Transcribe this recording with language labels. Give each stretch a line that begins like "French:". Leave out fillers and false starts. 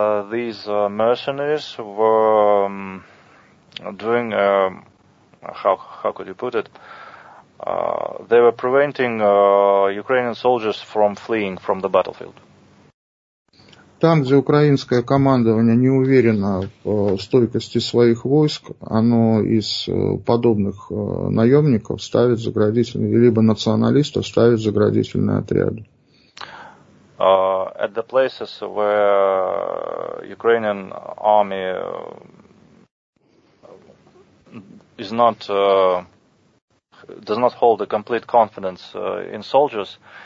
English: These mercenaries were doing how could you put it? They were preventing Ukrainian soldiers from fleeing from the battlefield.
Russian: Там, где украинское командование не уверено в стойкости своих войск, оно из подобных наемников ставит заградительные, либо националистов ставит заградительные отряды.
English: At the places where Ukrainian army is not, does not hold a complete confidence in soldiers,